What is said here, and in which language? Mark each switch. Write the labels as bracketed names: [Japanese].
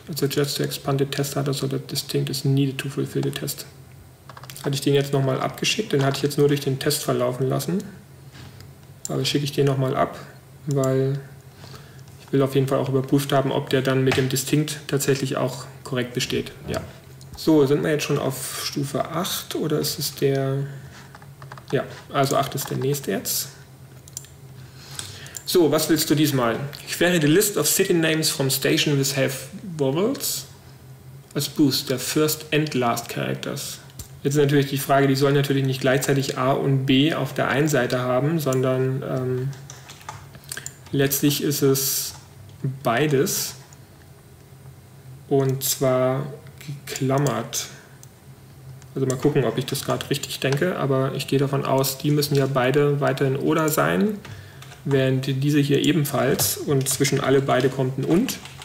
[English] It suggests to expand the test data so that Distinct is needed to fulfill the test. [German] Hatte ich den jetzt nochmal abgeschickt, den hatte ich jetzt nur durch den Test verlaufen lassen. Aber schicke ich den nochmal ab, weil ich will auf jeden Fall auch überprüft haben, ob der dann mit dem Distinct tatsächlich auch korrekt besteht. Ja. So, sind wir jetzt schon auf Stufe 8 oder ist es der... Ja, also 8 ist der nächste jetzt. So, was willst du diesmal? [English] Query the list of city names from station with half vowels as boost the first and last characters. [German] Jetzt ist natürlich die Frage, die sollen natürlich nicht gleichzeitig A und B auf der einen Seite haben, sondern letztlich ist es beides. Und zwar... geklammert. Also mal gucken, ob ich das gerade richtig denke, aber ich gehe davon aus, die müssen ja beide weiterhin oder sein, während diese hier ebenfalls und zwischen alle beide kommt ein und.